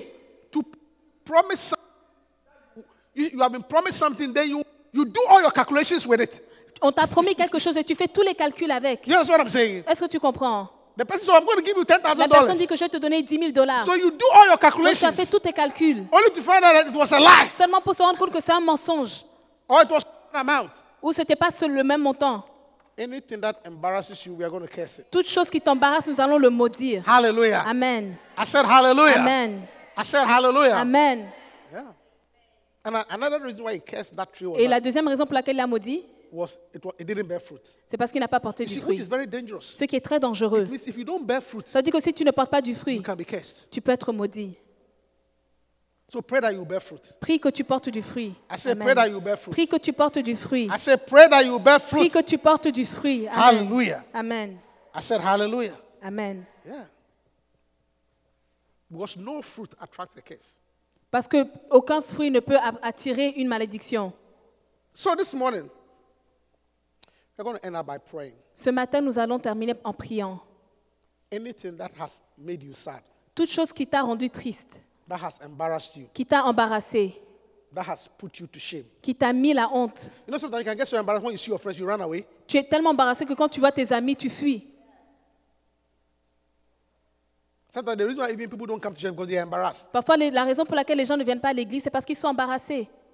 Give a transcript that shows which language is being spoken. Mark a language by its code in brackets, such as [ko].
[en] See, to promise you have been promised something, then you do all your calculations with it. [fr] On t'a promis quelque chose et tu fais tous les calculs avec. [en] You understand what I'm saying? [fr] Est-ce que tu comprends? [en] The person says, "I'm going to give you $10,000." [fr] La personne dit que je vais te donner $10,000. [en] So you do all your calculations. [fr] Donc, tu as fait tous tes calculs. [en] Only to find out that it was a lie. [fr] Seulement pour se rendre compte que c'est un mensonge. [en] Or it was an amount. [fr] Ou c'était pas le même montant. [en] Anything that embarrasses you, we are going to curse it. [fr] Toute chose qui t'embarrasse, nous allons le maudire. [en] Hallelujah. Amen. I said hallelujah. Amen. I said hallelujah. Amen. Yeah. And another reason why he cursed that tree. [fr] Et la deuxième raison pour laquelle il a maudit. [en] It didn't bear fruit. [fr] C'est parce qu'il n'a pas porté du fruit. [en] Which is very dangerous. [fr] Ce qui est très dangereux. [en] It means if you don't bear fruit, [fr] ça veut dire que si tu ne portes pas du fruit, [en] you can be cursed. [fr] Tu peux être maudit. [en] So pray that you bear fruit. [fr] Prie que tu portes du fruit. [en] I say pray that you bear fruit. [fr] Prie que tu portes du fruit. [en] I say pray that you bear fruit. [fr] Prie que tu portes du fruit. Amen. [en] Hallelujah. Amen. I said hallelujah. Amen. Yeah. Because no fruit attracts a curse. [fr] Parce que aucun fruit ne peut attirer une malédiction. [en] So this morning, we're going to end up by praying. [fr] Ce matin, nous allons terminer en priant. [en] Anything that has made you sad. [fr] Toute chose qui t'a rendu triste. [en] That has embarrassed you. [fr] Qui t'a embarrassé. [en] That has put you to shame. [fr] Qui t'a mis la honte. [en] You know, sometimes you can get so embarrassed when you see your friends, you run away. [fr] Tu es tellement embarrassé que quand tu vois tes amis, tu fuis. [en] Sometimes the reason why even people don't come to church is because they are embarrassed. [fr] Parfois, la raison pour laquelle les gens ne viennent pas à l'église, c'est parce qu'ils sont embarrassés.